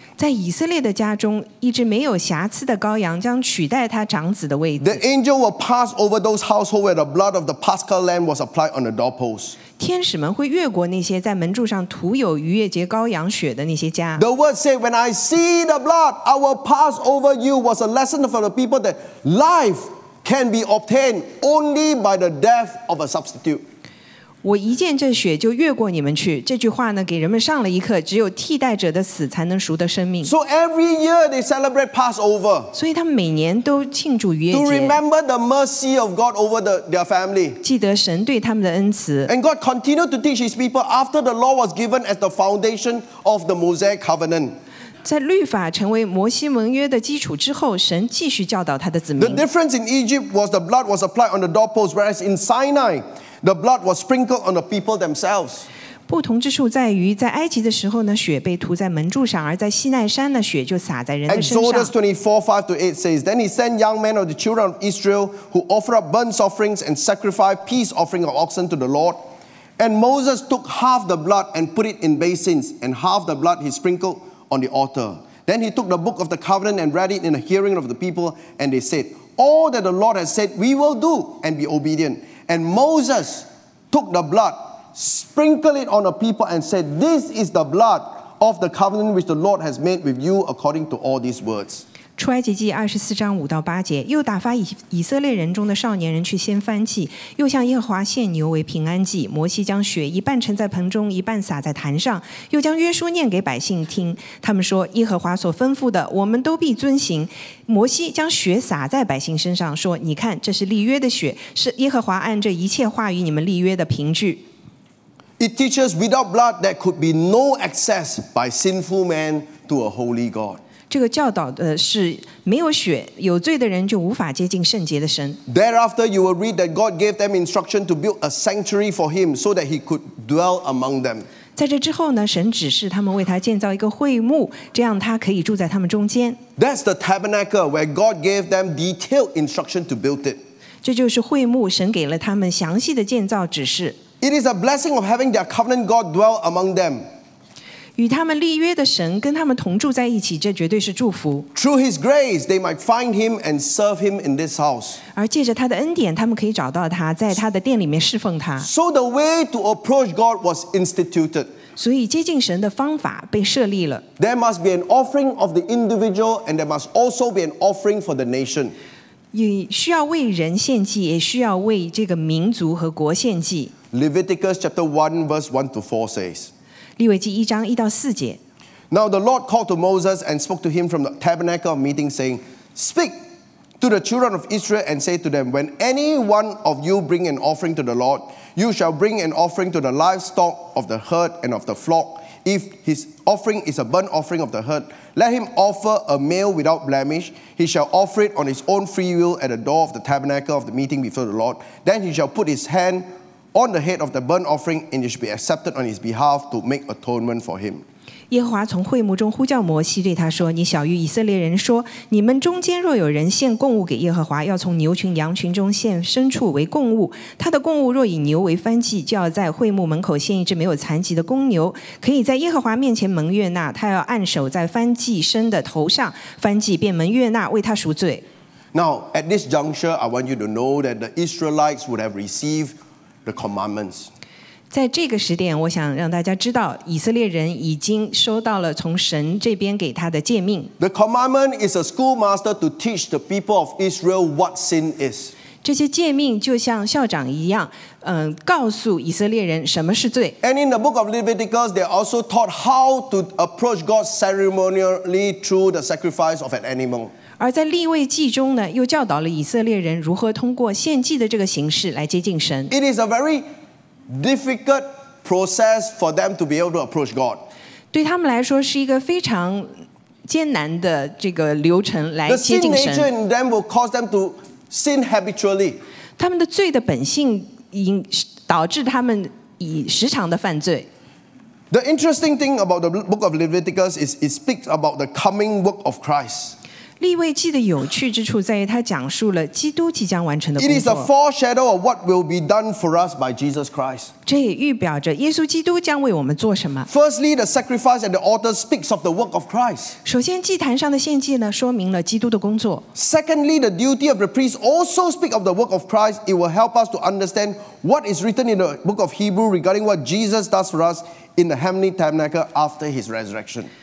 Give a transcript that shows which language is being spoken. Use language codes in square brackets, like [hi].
[zh] 在以色列的家中，一只没有瑕疵的羔羊将取代他长子的位置。 [en] The angel will pass over those households where the blood of the Paschal lamb was applied on the doorpost. [zh] 天使们会越过那些在门柱上涂有逾越节羔羊血的那些家。 [en] The word said, "When I see the blood, I will pass over you." Was a lesson for the people that life. Can be obtained only by the death of a substitute. [zh] 我一见这血就越过你们去。这句话呢，给人们上了一课：只有替代者的死才能赎得生命。 [en] So every year they celebrate Passover. [zh] 所以他们每年都庆祝逾越节。 [en] To remember the mercy of God over their family. [zh] 记得神对他们的恩慈。 [en] And God continued to teach His people after the law was given as the foundation of the Mosaic covenant. [zh] 在律法成为摩西盟约的基础之后，神继续教导他的子民。 [en] The difference in Egypt was the blood was applied on the doorpost, whereas in Sinai, the blood was sprinkled on the people themselves. [zh] 不同之处在于，在埃及的时候呢，血被涂在门柱上，而在西奈山呢，血就洒在人的身上。 [en] Exodus 24:5-8 says, Then he sent young men of the children of Israel who offer up burnt offerings and sacrifice peace offering of oxen to the Lord. And Moses took half the blood and put it in basins, and half the blood he sprinkledOn the altar. Then he took the book of the covenant and read it in the hearing of the people, and they said, All that the Lord has said, we will do and be obedient. And Moses took the blood, sprinkled it on the people, and said, This is the blood of the covenant which the Lord has made with you according to all these words. [zh] 出埃及记24:5-8，又打发以色列人中的少年人去掀翻祭，又向耶和华献牛为平安祭。摩西将血一半沉在盆中，一半撒在坛上，又将约书念给百姓听。他们说：“耶和华所吩咐的，我们都必遵行。” 摩西将血撒在百姓身上，说：“你看，这是立约的血，是耶和华按这一切话与你们立约的凭据。” [en] It teaches without blood there could be no access by sinful man to a holy God. [zh] 这个教导的是没有血，有罪的人就无法接近圣洁的神。 [en] Thereafter, you will read that God gave them instruction to build a sanctuary for Him, so that He could dwell among them. [zh] 在这之后呢，神指示他们为他建造一个会幕，这样他可以住在他们中间。 [en] That's the tabernacle where God gave them detailed instruction to build it. [zh] 这就是会幕，神给了他们详细的建造指示。 [en] It is a blessing of having their covenant God dwell among them. [zh] 与他们立约的神跟他们同住在一起，这绝对是祝福。 [en] Through His grace, they might find Him and serve Him in this house. [zh] 而借着他的恩典，他们可以找到他，在他的殿里面侍奉他。 [en] So the way to approach God was instituted. [zh] 所以接近神的方法被设立了。 [en] There must be an offering of the individual, and there must also be an offering for the nation. [zh] 也需要为人献祭，也需要为这个民族和国献祭。 [en] Leviticus chapter 1 verse 1-4 says. [zh] 利未记一章一到四节。 [en] Now the Lord called to Moses and spoke to him from the tabernacle of meeting, saying, "Speak to the children of Israel and say to them, When any one of you bring an offering to the Lord, you shall bring an offering to the livestock of the herd and of the flock. If his offering is a burnt offering of the herd, let him offer a male without blemish. He shall offer it on his own free will at the door of the tabernacle of the meeting before the Lord. Then he shall put his hand." on the head of the burnt offering, and it should be accepted on his behalf to make atonement for him. [zh] 耶和华从会幕中呼叫摩西，对他说：“你晓谕以色列人说，你们中间若有人献供物给耶和华，要从牛群、羊群中献牲畜为供物。他的供物若以牛为燔祭，就要在会幕门口献一只没有残疾的公牛，可以在耶和华面前蒙悦纳。他要按手在燔祭牲的头上，燔祭便蒙悦纳，为他赎罪。” [en] Now at this juncture, I want you to know that the Israelites would have received the commandments. [zh] 在这个时点，我想让大家知道，以色列人已经收到了从神这边给他的诫命。 [en] The commandment is a schoolmaster to teach the people of Israel what sin is. [zh] 这些诫命就像校长一样，告诉以色列人什么是罪。 [en] And in the book of Leviticus, they also taught how to approach God ceremonially through the sacrifice of an animal. [zh] 而在立位记中呢，又教导了以色列人如何通过献祭的这个形式来接近神。 [en] It is a very difficult process for them to be able to approach God. [zh] 对他们来说是一个非常艰难的这个流程来接近神。 [en] The sin nature in them will cause them to sin habitually. [zh] 他们的罪的本性已导致他们以时常的犯罪。 [en] The interesting thing about the book of Leviticus is it speaks about the coming work of Christ. [zh] 立位记的有趣之处在于它讲述了基督即将完成的工作。 [en] It is a foreshadow of what will be done for us by Jesus Christ. [zh] 这也预表着耶稣基督将为我们做什么。 [en] Firstly, the sacrifice at the altar speaks of the work of Christ. [zh] 首先祭坛上的献祭呢说明了基督的工作。 [en] Secondly, the duty of the priest also speaks of the work of Christ. It will help us to understand what is written in the book of Hebrews regarding what Jesus does for us in the heavenly tabernacle after his resurrection.